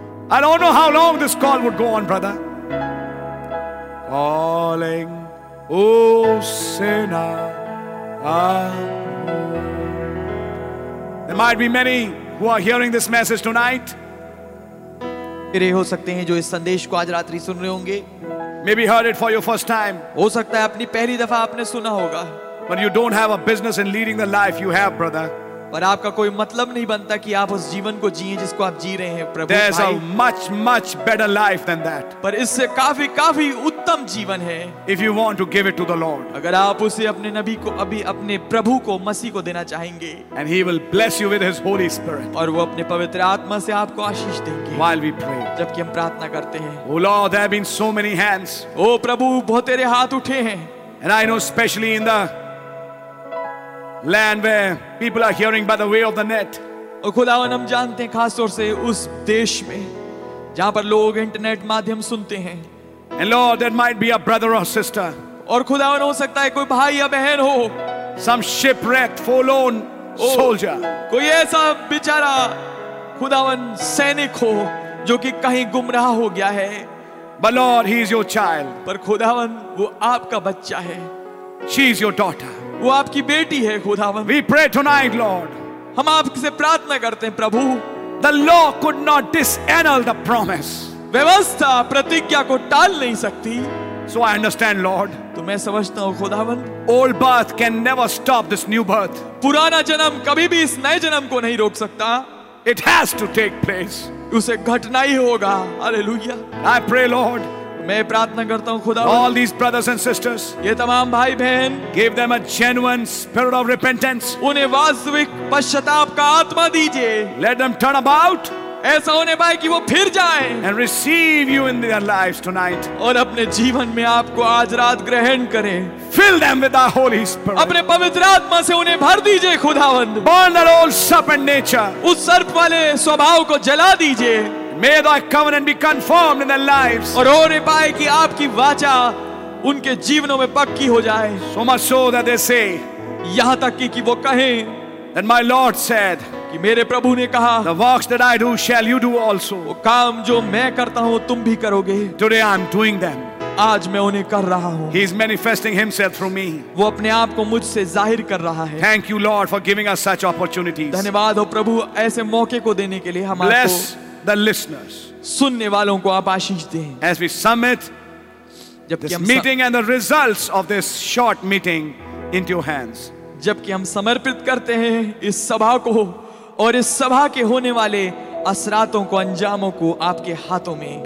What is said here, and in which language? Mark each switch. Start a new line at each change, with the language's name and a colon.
English: I don't know how long this call would go on, brother. Calling, oh sinner, come home. There might be many who are hearing this message tonight.
Hindi: तेरे हो सकते हैं जो इस संदेश को आज रात्रि सुन रहे होंगे.
English: Maybe heard it for your first time.
Hindi: हो सकता है अपनी पहली दफा आपने सुना होगा.
English: But you don't have a business in leading the life you have, brother.
Hindi: पर आपका कोई मतलब नहीं बनता कि आप उस जीवन को जिए जिसको आप जी रहे हैं प्रभु
English: There's a much, much better life than that.
Hindi: पर इससे काफी काफी उत्तम जीवन है
English: If you want to give it to the Lord.
Hindi: अगर आप उसे अपने नबी को अभी अपने प्रभु को मसीह को देना चाहेंगे
English: And he will bless you with his Holy Spirit.
Hindi: और वो अपने पवित्र आत्मा से आपको आशीष देंगे
English: While we pray.
Hindi: जबकि हम प्रार्थना करते हैं
English: Oh Lord, there have been so many hands.
Hindi: ओ प्रभु बहुत तेरे हाथ उठे हैं
English: And I know specially in the Land where people are hearing by the way of the net.
Hindi: और खुदावन हम जानते हैं खास तौर से उस देश में जहाँ पर लोग इंटरनेट माध्यम सुनते हैं.
English: And Lord, there might be a brother or sister.
Hindi: और खुदावन हो सकता है कोई भाई या बहन हो.
English: Some shipwrecked, forlorn soldier.
Hindi: कोई ऐसा बिचारा खुदावन सैनिक हो जो कि कहीं गुमराह हो गया है.
English: But Lord, he is your child.
Hindi: पर खुदावन वो आपका बच्चा है.
English: She is your daughter.
Hindi: वो आपकी बेटी है खुदावन
English: We pray tonight, Lord.
Hindi: हम आपसे प्रार्थना करते हैं प्रभु
English: The law could not disannul the promise.
Hindi: व्यवस्था प्रतिज्ञा को टाल नहीं सकती.
English: So I understand, Lord.
Hindi: तो मैं समझता हूँ खुदावंद.
English: Old birth can never stop this new birth.
Hindi: पुराना जन्म कभी भी इस नए जन्म को नहीं रोक सकता.
English: It has to take place.
Hindi: उसे घटना ही होगा. Hallelujah.
English: I pray, Lord.
Hindi: मैं प्रार्थना करता हूँ खुदा.
English: All these brothers and sisters.
Hindi: ये तमाम भाई बहन.
English: Give them a genuine spirit of repentance.
Hindi: उन्हें वास्तविक पश्चाताप का आत्मा दीजिए.
English: Let them turn about.
Hindi: ऐसा होने पाए कि वो फिर जाएं.
English: And receive you in their lives tonight.
Hindi: और अपने जीवन में आपको आज रात ग्रहण करें.
English: Fill them with the Holy Spirit.
Hindi: अपने पवित्र आत्मा से उन्हें भर दीजिए खुदावंद.
English: Burn that old serpent nature.
Hindi: उस सर्प वाले स्वभाव को जला दीजिए.
English: May thy covenant be confirmed in their lives.
Hindi: और होने पाए कि आपकी वाचा उनके जीवनों में पक्की हो जाए.
English: So much so that they say.
Hindi: यहां तक कि वो कहें.
English: And my Lord said.
Hindi: कि मेरे प्रभु ने कहा.
English: The works that I do shall you do also.
Hindi: वो काम जो मैं करता हूँ तुम भी करोगे.
English: Today I am doing them.
Hindi: आज मैं उन्हें कर रहा हूँ.
English: He is manifesting himself through me.
Hindi: वो अपने आप को मुझसे जाहिर कर रहा है.
English: Thank you Lord for giving us such opportunities.
Hindi: धन्यवाद हो प्रभु ऐसे मौके को देने के लिए हमारे.
English: Bless the listeners.
Hindi: सुनने वालों को आप आशीष दें.
English: As we submit this meeting and the results of this short meeting into your hands.
Hindi: जबकि हम समर्पित करते हैं इस सभा को और इस सभा के होने वाले असरातों को अंजामों को आपके हाथों में.